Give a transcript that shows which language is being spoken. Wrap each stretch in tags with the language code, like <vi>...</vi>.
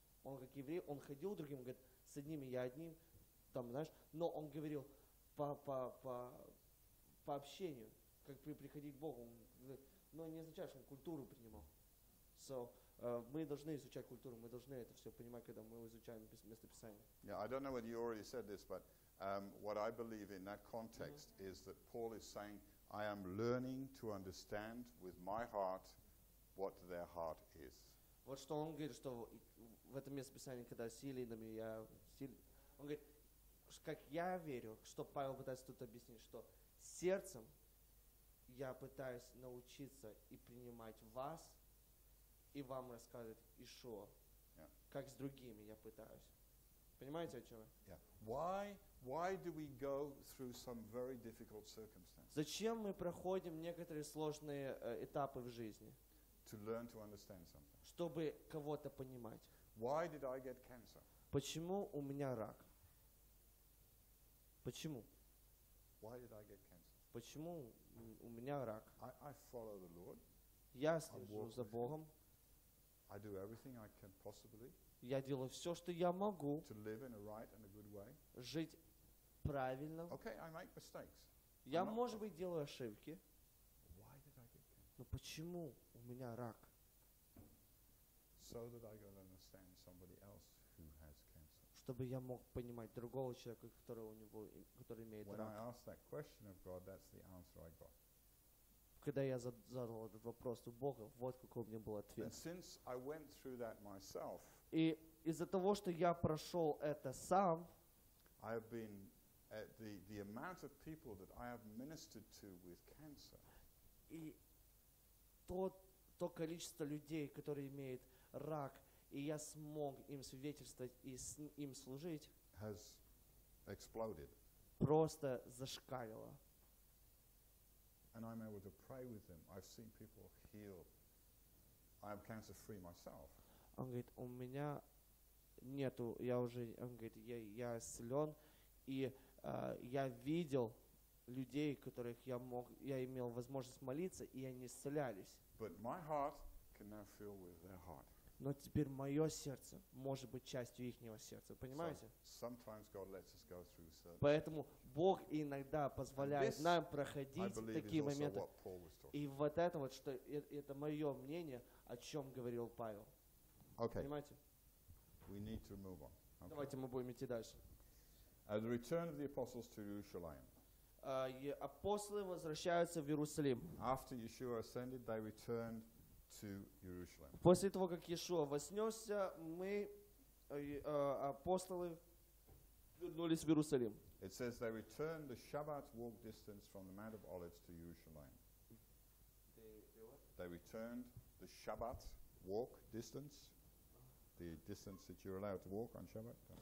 <ru>Он как еврей, он ходил другим, говорит, с одними я одним, там, знаешь, но он говорил по общению, как приходить к Богу, но не означает, что он культуру принимал. So, мы должны изучать культуру, мы должны это все понимать, когда мы изучаем место Писания.</ru> <en>Yeah, I don't know whether you already said this, but what I believe in that context mm-hmm. is that Paul is saying, I am learning to understand with my heart what their heart is.</en> <ru>Вот что он говорит, что в этом месте Писания, когда Силий на меня, он говорит, как я верю, что Павел пытается тут объяснить, что сердцем я пытаюсь научиться и принимать вас, и вам рассказывать Ишуа, как с другими я пытаюсь. Понимаете, о чем я?</ru> <en>Yeah. Why do we go through some very difficult circumstances?</en> <ru>Зачем мы проходим некоторые сложные этапы в жизни?</ru> <en>To learn to understand something.</en> <ru>Чтобы кого-то понимать.</ru> <en>Why did I get cancer?</en> <ru>Почему у меня рак? Почему?</ru> <en>Why did I get cancer?</en> <ru>Почему у меня рак?</ru> <en>I follow the Lord.</en> <ru>Я слежу за Богом.</ru> <en>I do everything I can possibly.</en> <ru>Я делаю все, что я могу.</ru> <en>To live in a right and a good way.</en> <ru>Жить правильно.</ru> <en>Okay, I make mistakes.</en> <ru>Я, может быть, делаю ошибки.</ru> <en>Why did I get cancer?</en> <ru>Но почему? У меня рак.</ru> <en>So that I can understand somebody else who has cancer.</en> <ru>Чтобы я мог понимать другого человека, который у него, который имеет</ru> <en>When</en> <ru>рак.</ru> <en>When I asked that question of God, that's the answer I got.</en> <ru>когда я задал этот вопрос у Бога, вот какой у меня был ответ.</ru> <en>And since I went through that myself,</en> <ru>и из-за того, что я прошел это сам,</ru> <en>I have been at the amount of people that I have ministered to with cancer.</en> <ru>И то количество людей, которые имеют рак, и я смог им свидетельствовать и им служить,</ru> <en>has exploded.</en> <ru>Просто зашкалило.</ru> <en>And I'm able to pray with them. I've seen people healed. I am cancer free myself.</en> <ru>Он говорит, у меня нету, я уже, он говорит, я исцелен, и я видел людей, которых я имел возможность молиться, и они исцелялись.</ru> <en>But my heart can now fill with their heart.</en> <ru>Но теперь мое сердце может быть частью ихнего сердца. Понимаете?</ru> <en>Sometimes God lets us go through certain.</en> <ru>Поэтому Бог иногда позволяет нам проходить такие моменты. И вот это вот, что это мое мнение, о чем говорил Павел.</ru> <en>Okay.</en> <ru>Понимаете?</ru> <en>We need to move on. Okay.</en> <ru>Давайте мы будем идти дальше.</ru> <en>The return of the apostles to Jerusalem.</en> <ru>Апостолы возвращаются в Иерусалим.</ru> <en>After Yeshua ascended, they returned to Jerusalem.</en> <ru>После того, как Иешуа вознесся, мы апостолы вернулись в Иерусалим.</ru> <en>It says they returned the Shabbat walk distance from the Mount of Olives to Jerusalem. They returned the Shabbat walk distance, the distance that you're allowed to walk on Shabbat.</en>